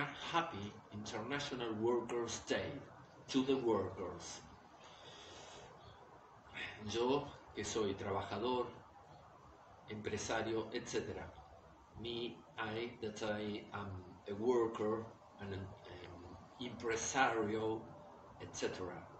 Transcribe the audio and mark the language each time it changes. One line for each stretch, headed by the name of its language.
English: Happy International Workers Day to the workers.
Spanish: Yo, que soy trabajador, empresario, etc.
English: Me, I, that I am a worker, an empresario, etc.